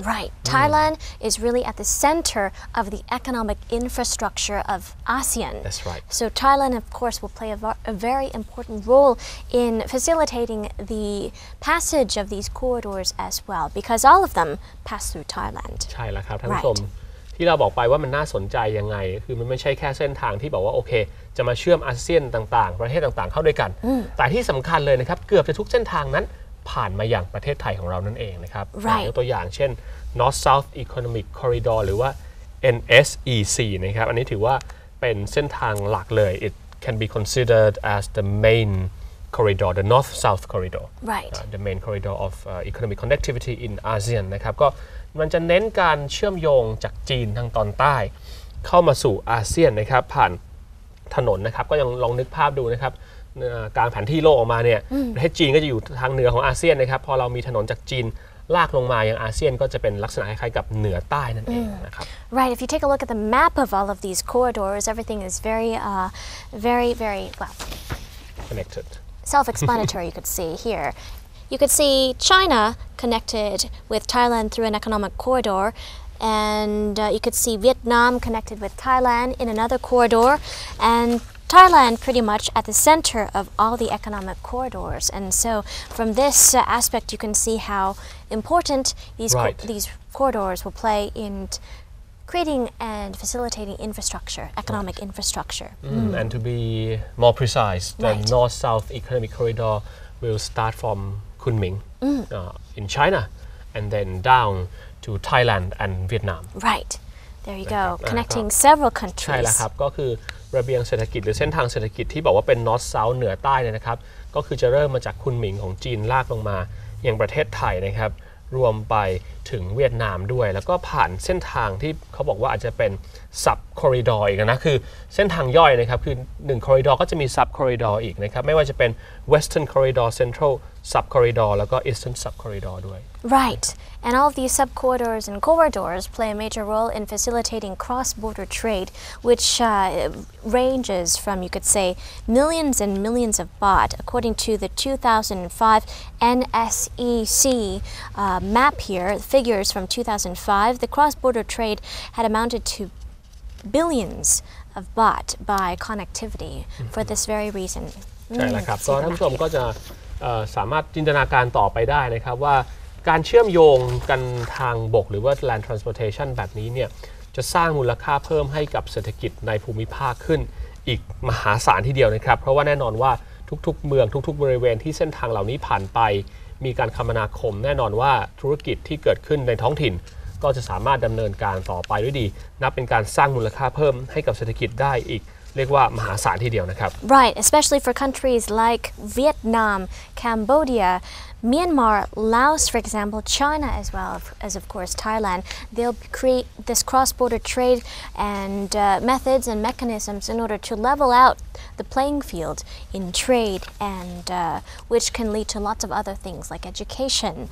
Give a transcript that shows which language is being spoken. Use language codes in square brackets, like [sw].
[en] right Thailand is really at the center of the economic infrastructure of ASEAN that's right so Thailand of course will play a very important role in facilitating the passage of these corridors as well because all of them pass through Thailand [th] ใช่แล้วครับท่านผู้ชมที่เราบอกไปว่ามันน่าสนใจยังไงคือมันไม่ใช่แค่เส้นทางที่บอกว่าโอเคจะมาเชื่อมอาเซียนต่างๆประเทศต่างๆเข้าด้วยกันแต่ที่สำคัญเลยนะครับเกือบจะทุกเส้นทางนั้นผ่านมาอย่างประเทศไทยของเรานั่นเองนะครับ [en] right. [th] ยกตัวอย่างเช่น North South Economic Corridor หรือว่า NSEC นะครับอันนี้ถือว่าเป็นเส้นทางหลักเลย [en] It can be considered as the main corridor the North South Corridor right. The main corridor of economic connectivity in ASEAN [th] นะครับก็มันจะเน้นการเชื่อมโยงจากจีนทางตอนใต้เข้ามาสู่อาเซียนนะครับผ่านถนนนะครับก็ยังลองนึกภาพดูนะครับการแผนที่โลกออกมาเนี่ยประเทศจีนก็จะอยู่ทางเหนือของอาเซียนนะครับพอเรามีถนนจากจีน ลากลงมายังอาเซียนก็จะเป็นลักษณะคล้ายๆกับเหนือใต้นั่นเองนะครับ [en] Right, if you take a look at the map of all of these corridors, everything is very, very, very, well, connected. Self-explanatory, you could see here. You could see China connected with Thailand through an economic corridor, and you could see Vietnam connected with Thailand in another corridor, and Thailand pretty much at the center of all the economic corridors. And so from this aspect, you can see how important these, right. these corridors will play in creating and facilitating infrastructure, economic right. infrastructure. Mm. And to be more precise, the right. North-South economic corridor will start from Kunming in China and then down to Thailand and Vietnam. Right. There you go. Connecting several countries. [th] ใช่แล้วครับก็คือระเบียงเศรษฐกิจหรือเส้นทางเศรษฐกิจที่บอกว่าเป็น North South เหนือใต้เนี่ยนะครับก็คือจะเริ่มมาจากคุนหมิงของจีนลากลงมาอย่างประเทศไทยนะครับรวมไปถึงเวียดนามด้วยแล้วก็ผ่านเส้นทางที่เขาบอกว่าอาจจะเป็น Sub Corridor อีกนะคือเส้นทางย่อยนะครับคือ1 Corridor ก็จะมี Sub Corridor อีกนะครับไม่ว่าจะเป็น Western Corridor Central Sub Corridor แล้วก็ Eastern Sub Corridor ด้วย [en] Right and all of these sub corridors and corridors play a major role in facilitating cross border trade which ranges from you could say millions and millions of baht according to the 2005 NSEC map here figures from 2005 the cross border trade had amounted to billions of baht by connectivity mm-hmm. for this very reason [th] ใช่นะครับก็ท่านผู้ชมก็จะสามารถจินตนาการต่อไปได้นะครับว่าการเชื่อมโยงกันทางบกหรือว่า land transportation แบบนี้เนี่ยจะสร้างมูลค่าเพิ่มให้กับเศรษฐกิจในภูมิภาคขึ้นอีกมหาศาลทีเดียวนะครับเพราะว่าแน่นอนว่าทุกๆเมืองทุกๆบริเวณที่เส้นทางเหล่านี้ผ่านไปมีการคมนาคมแน่นอนว่าธุรกิจที่เกิดขึ้นในท้องถิ่นก็จะสามารถดำเนินการต่อไปด้วยดีนับเป็นการสร้างมูลค่าเพิ่มให้กับเศรษฐกิจได้อีกเรียกว่ามหาศาลทีเดียวนะครับ [en] Right especially for countries like Vietnam CambodiaMyanmar, Laos, for example, China as well as, of course, Thailand, they'll create this cross-border trade and methods and mechanisms in order to level out the playing field in trade, and which can lead to lots of other things like education